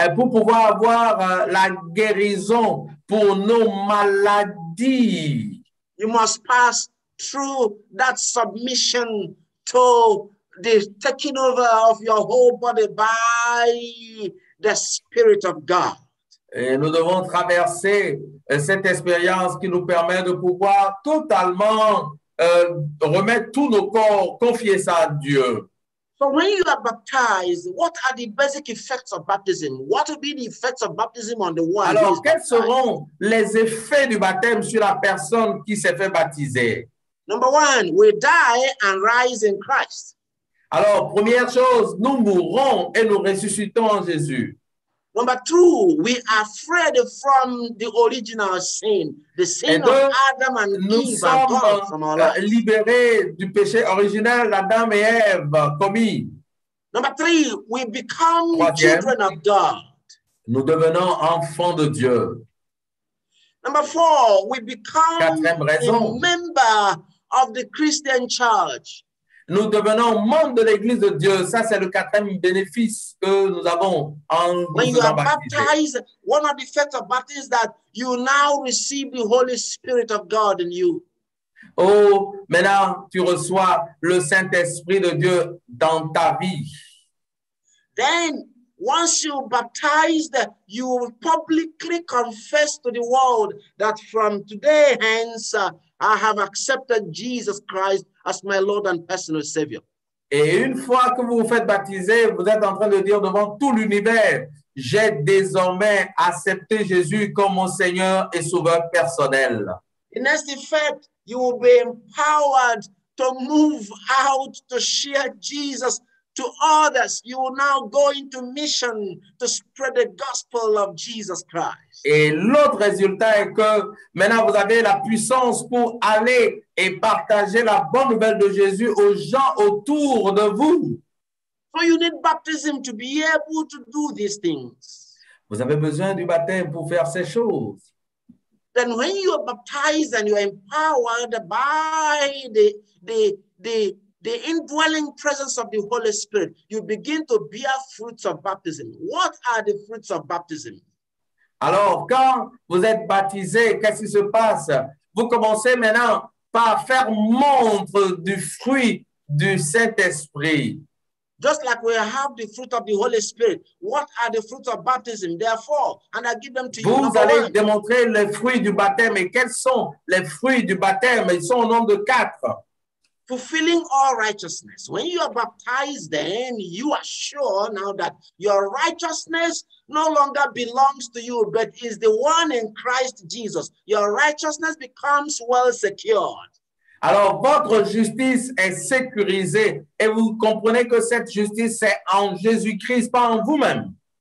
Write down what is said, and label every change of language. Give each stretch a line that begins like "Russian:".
French: Pour pouvoir avoir la guérison pour nos maladies.
English: You must pass through that submission to the taking over of your whole body by the Spirit of God.
French: Et nous devons traverser cette expérience qui nous permet de pouvoir totalement remettre tous nos corps, confier ça à Dieu.
English: So when you are baptized, what are the basic effects of baptism? What will be the effects of baptism on the one?
French: Alors, quels seront les effets du baptême sur la personne qui s'est fait baptiser?
English: Number one, we die and rise in Christ.
French: Alors, première chose, nous mourons et nous ressuscitons en Jésus.
English: Number two, we are freed from the original sin, the sin
French: deux,
English: of Adam and
French: nous
English: Eve.
French: Nous sommes libérés du péché original d'Adam et Ève commis.
English: Number three, we become children of God.
French: Nous devenons enfants de Dieu.
English: Number four, we become
French: raison,
English: a member of the Christian church.
French: Nous devenons membres de l'Église de Dieu. Ça, c'est le quatrième bénéfice que nous avons en
English: When you are baptized, one of the effects of baptism is that you now receive the Holy Spirit of God in you.
French: Oh, maintenant, tu reçois le Saint-Esprit de Dieu dans ta vie.
English: Then, once you are baptized, you will publicly confess to the world that from today hence, I have accepted Jesus Christ as my Lord and personal Savior.
French: Et une fois que vous vous faites baptiser, vous êtes en train de dire devant tout l'univers, j'ai désormais accepté Jésus comme mon Seigneur et Sauveur personnel.
English: In this effect, you will be empowered to move out to share Jesus to others. You will now go into mission to spread the gospel of Jesus Christ.
French: Et l'autre résultat est que maintenant vous avez la puissance pour aller et partager la bonne nouvelle de Jésus aux gens autour de vous.
English: So you need baptism to be able to do these things.
French: Vous avez besoin du baptême pour faire ces choses.
English: Then when you are baptized and you are empowered by the indwelling presence of the Holy Spirit, you begin to bear fruits of baptism. What are the fruits of baptism?
French: Alors, quand vous êtes baptisé, qu'est-ce qui se passe? Vous commencez maintenant par faire montre du fruit du Saint-Esprit.
English: Just like we have the fruit of the Holy Spirit, what are the fruits of baptism? Therefore, and I give them to you.
French: Vous allez démontrer les fruits du baptême. Et quels sont les fruits du baptême? Ils sont au nombre de quatre.
English: Fulfilling all righteousness. When you are baptized, then you are sure now that your righteousness no longer belongs to you, but is the one in Christ Jesus. Your righteousness becomes well secured.
French: Alors, votre justice est sécurisée et vous comprenez que cette justice est en Jésus-Christ, pas en vous-même.